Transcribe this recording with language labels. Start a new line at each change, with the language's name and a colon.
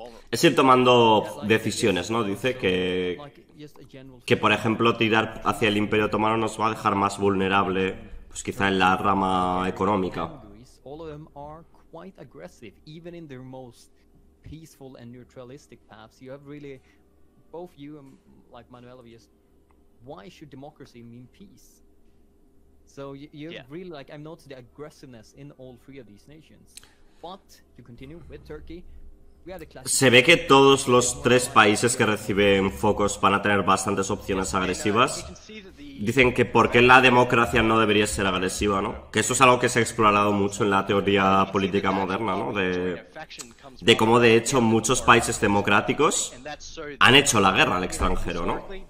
Spanish: Es ir tomando decisiones, ¿no? Dice que por ejemplo, tirar hacia el Imperio Otomano nos va a dejar más vulnerable. Pues quizá en la rama económica.
English: All of them are quite aggressive, even in their most peaceful and neutralistic paths. You have really, both you and Manuel, why should democracy mean peace? So you really I've noticed the aggressiveness in all three of these nations. But to continue with Turkey, we had a classic.
Spanish: Se ve que todos los tres países que reciben focos van a tener bastantes opciones agresivas. Dicen que por qué la democracia no debería ser agresiva, ¿no? Que eso es algo que se ha explorado mucho en la teoría política moderna, ¿no? De cómo, de hecho, muchos países democráticos han hecho la guerra al extranjero, ¿no?